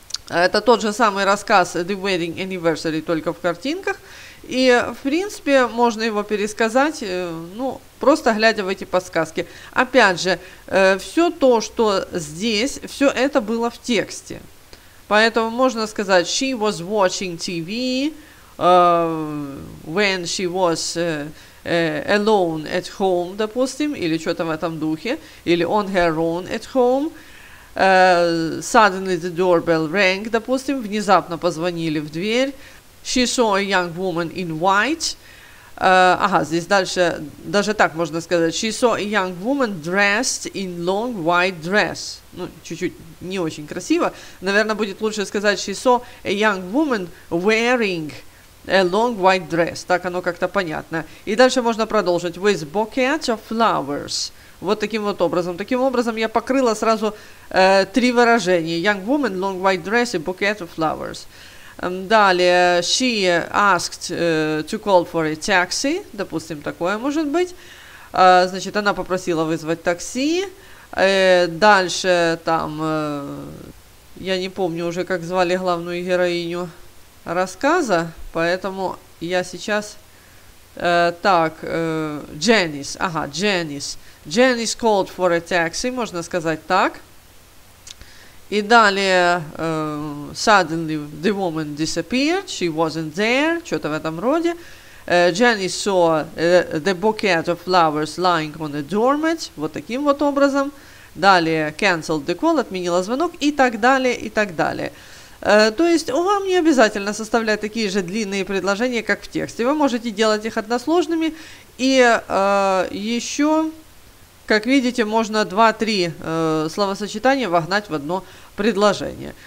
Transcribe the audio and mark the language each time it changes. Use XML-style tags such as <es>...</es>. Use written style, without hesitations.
<ru>Это тот же самый рассказ «The Wedding Anniversary», только в картинках. И, в принципе, можно его пересказать, ну, просто глядя в эти подсказки. Опять же, все то, что здесь, все это было в тексте. Поэтому можно сказать</ru> <en>«She was watching TV when she was alone at home»,</en> <ru>допустим, или что-то в этом духе, или</ru> <en>«on her own at home». Suddenly the doorbell rang,</en> <ru>допустим, внезапно позвонили в дверь.</ru> <en>She saw a young woman in white.</en> <ru>Здесь дальше, даже так можно сказать.</ru> <en>She saw a young woman dressed in long white dress.</en> <ru>Ну, чуть-чуть не очень красиво. Наверное, будет лучше сказать</ru> <en>she saw a young woman wearing a long white dress.</en> <ru>Так оно как-то понятно. И дальше можно продолжить.</ru> <en>With bouquet of flowers.</en> <ru>Вот таким вот образом. Таким образом я покрыла сразу три выражения.</ru> <en>Young woman, long white dress и bouquet of flowers.</en> <ru>Далее,</ru> <en>she asked to call for a taxi.</en> <ru>Допустим, такое может быть. Значит, она попросила вызвать такси. Дальше там, я не помню уже, как звали главную героиню рассказа, поэтому я сейчас...</ru> <en>Janice called for a taxi,</en> <ru>можно сказать так. И далее,</ru> <en>suddenly the woman disappeared, she wasn't there,</en> <ru>что-то в этом роде.</ru> <en>Jenny saw the bouquet of flowers lying on a doormat,</en> <ru>вот таким вот образом. Далее,</ru> <en>canceled the call,</en> <ru>отменила звонок, и так далее, и так далее. То есть, вам не обязательно составлять такие же длинные предложения, как в тексте. Вы можете делать их односложными, и еще... Как видите, можно 2-3 словосочетания вогнать в одно предложение.</ru>